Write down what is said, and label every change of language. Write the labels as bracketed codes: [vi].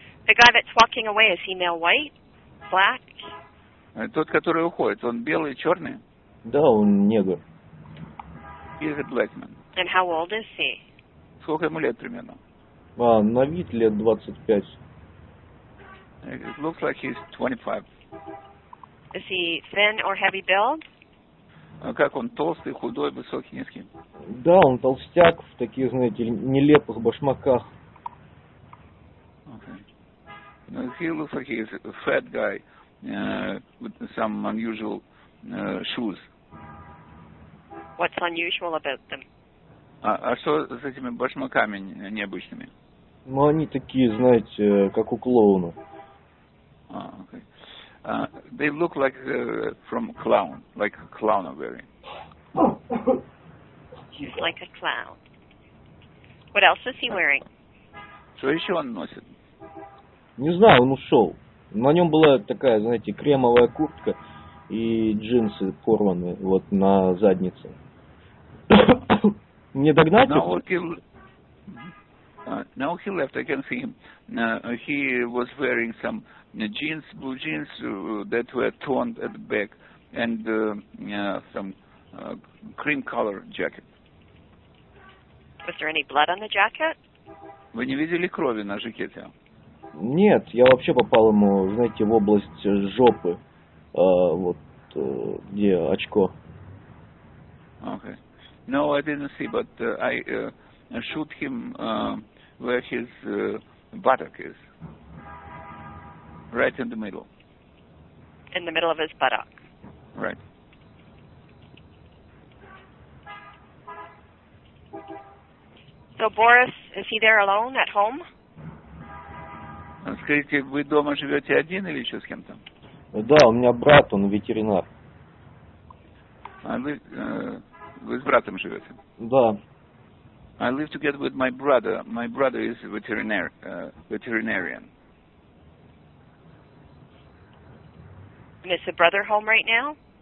[en] The guy that's walking away, is he male white? Black? [ru] Тот, который уходит, он белый, черный? Да, он негр. [en] He is a black man. And how old is he? [ru] Сколько ему лет примерно? На вид лет 25. [en] It looks like he's 25. Is he thin or heavy build? [ru] Как он, толстый, худой, высокий, низкий? Да, он толстяк в таких, знаете, нелепых башмаках. [en] Okay. He looks like he's a fat guy with some unusual shoes. What's unusual about them? [ru] А что с этими башмаками необычными? Ну, они такие, знаете, как у клоуна. [en] Okay. They look like from clown, like a clown are wearing. He's like a clown. What else is he wearing? [ru] Что еще он носит? Не знаю, он ушел. На нем была такая, знаете, кремовая куртка и джинсы порваны вот на заднице. Не догнать его? [en] Now he left, I can see him. He was wearing some jeans, blue jeans that were torn at the back, and some cream color jacket. Was there any blood on the jacket? [ru] Вы не видели крови на жакете? Нет, я вообще попал ему, знаете, в область жопы, вот где очко. [en] Okay. No, I didn't see, but I shoot him where his buttock is. Right in the middle. In the middle of his buttock. Right. So Boris, is he there alone at home? [ru] Скажите, вы дома живете один или еще с кем-то? Да, у меня брат, он ветеринар. А вы с братом живете? Да. [en] I live together with my brother. My brother is a veterinarian. And is the brother home right now?